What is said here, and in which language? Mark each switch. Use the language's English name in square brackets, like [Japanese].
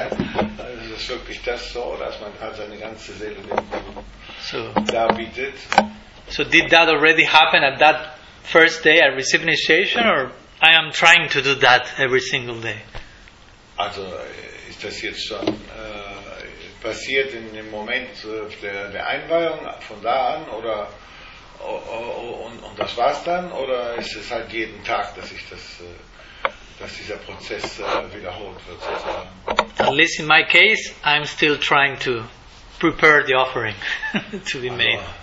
[German] Also ist es wirklich das so, dass man halt seine ganze Seele dem Guru darbietet. [English] So did that already happen at that first day I received initiation, or I am trying to do that every single day? [German] Also ist das jetzt schon passiert in dem Moment der Einweihung von da an, oder und das war's dann, oder ist es halt jeden Tag, dass ich das dass dieser Prozess wiederholt wird sozusagen? [English] At least in my case, I'm still trying to prepare the offering to be made.